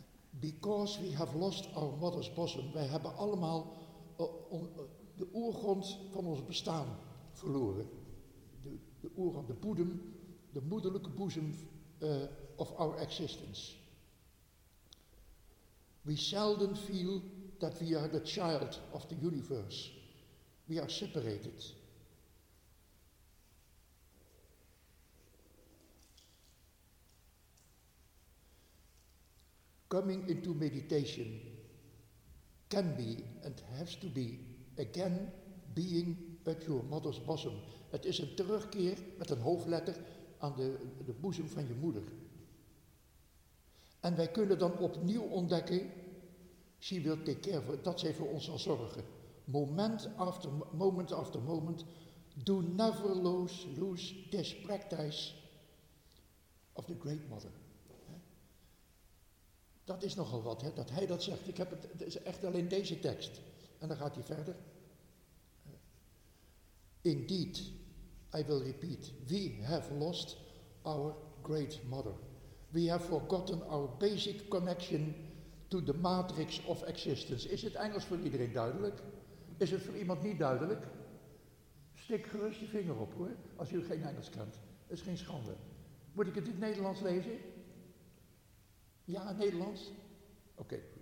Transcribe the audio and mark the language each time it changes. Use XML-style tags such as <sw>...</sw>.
<en>Because we have lost our mother's bosom.</en> <nl>Wij hebben allemaal de oergrond van ons bestaan verloren. De oergrond, de boedem, de moederlijke boezem</nl> <en>of our existence. We seldom feel that we are the child of the universe. We are separated. Coming into meditation can be and has to be again being at your mother's bosom.</en> <nl>Het is een terugkeer met een hoofdletter aan de boezem van je moeder. En wij kunnen dan opnieuw ontdekken,</nl> <en>she will take care for,</en> <nl>dat zij voor ons zal zorgen.</nl> <en>Moment after moment, do never lose this practice of the great mother.</en> <nl>Dat is nogal wat, hè, dat hij dat zegt. Ik heb het is echt alleen deze tekst. En dan gaat hij verder.</nl> <en>Indeed, I will repeat, we have lost our great mother. We have forgotten our basic connection to the matrix of existence.</en> <nl>Is het Engels voor iedereen duidelijk? Is het voor iemand niet duidelijk? Stik gerust je vinger op hoor, als u geen Engels kent. Dat is geen schande. Moet ik het in het Nederlands lezen? Ja, in het Nederlands? Oké.</nl>